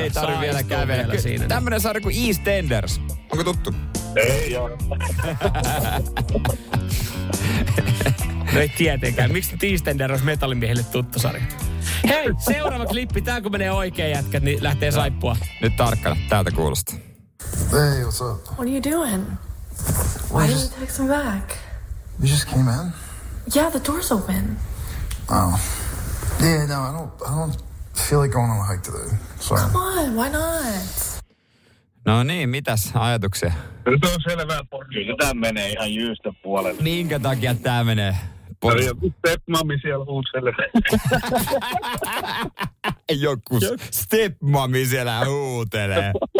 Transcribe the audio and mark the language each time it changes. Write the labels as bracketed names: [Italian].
[Finnish] Ei tarvi vielä kävellä vielä siinä. Tämmönen sarja kuin EastEnders. Onko tuttu? Ei joo. No ei tietenkään. Miksi nyt EastEnders olisi metallimiehille tuttu sarja? Hei, seuraava klippi. Tää kun menee oikein jätkät, niin lähtee saippua. Nyt tarkkana. Täältä kuulostaa. [English] Hey, what's up? What are you doing? Why didn't you text me back? You just came in? Yeah, the door's open. Oh. Yeah, no, I don't feel like going on a hike today. Sorry. Come on, why not? [Finnish] No niin, mitäs ajatuksia? Nyt on selvää, porukka. Tämä menee ihan jyystä puolelle. Minkä takia tämä menee? Tämä on joku stepmami siellä huutelee. Joku stepmami siellä huutelee.